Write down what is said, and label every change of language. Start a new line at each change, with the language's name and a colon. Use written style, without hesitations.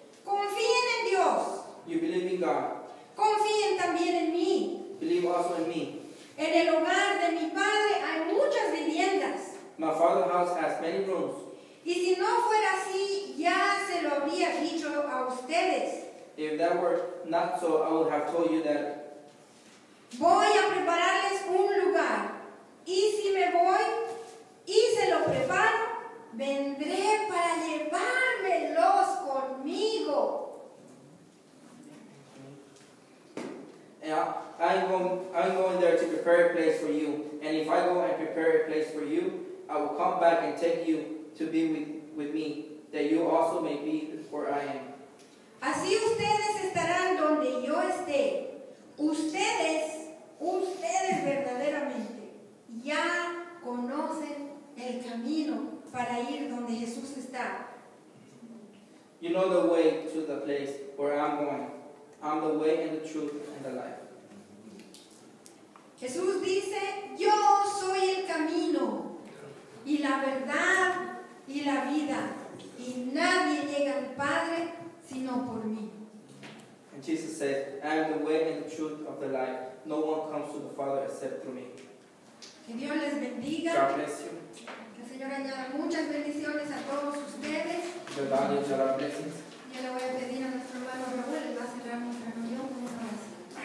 Spanish: Confíen en Dios.
English: You believe in God.
Spanish: Confíen también en mí.
English: Believe also in me.
Spanish: En el hogar de mi padre hay muchas viviendas.
English: My father's house has many rooms.
Spanish: Y si no fuera así, ya se lo habría dicho a ustedes.
English: If that were not so, I would have told you that.
Spanish: Voy a prepararles un lugar. Y si me voy y se lo preparo, vendré para llevármelos conmigo. Yeah.
English: I'm going there to prepare a place for you. And if I go and prepare a place for you, I will come back and take you to be with me, that you also may be where I am.
Spanish: Así ustedes estarán donde yo esté. Ustedes verdaderamente ya conocen el camino para ir donde Jesús está.
English: You know the way to the place where I'm going. I'm the way and the truth and the life.
Spanish: Jesús dice, yo soy el camino, y la verdad, y la vida, y nadie llega al Padre sino por mí.
English: And Jesus said, I am the way and the truth of the life. No one comes to the Father except through me.
Spanish: Que Dios les bendiga.
English: God bless you.
Spanish: Que el Señor añada muchas bendiciones a todos ustedes.
English: The Lord is our blessings.
Spanish: Yo le voy a pedir a nuestro hermano Raúl, le va a cerrar nuestra reunión con una oración.